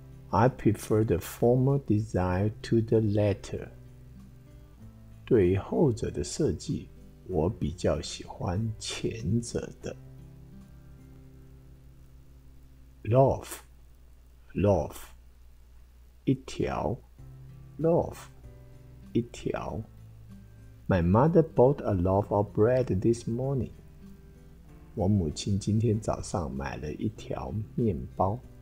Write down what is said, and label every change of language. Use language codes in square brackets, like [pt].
[en] I prefer the former design to the latter. [zh] 对于后者的设计，我比较喜欢前者的。 Love, 一条。 Love, 一条。 [en] My mother bought a loaf of bread this morning. [zh] 我母亲今天早上买了一条面包。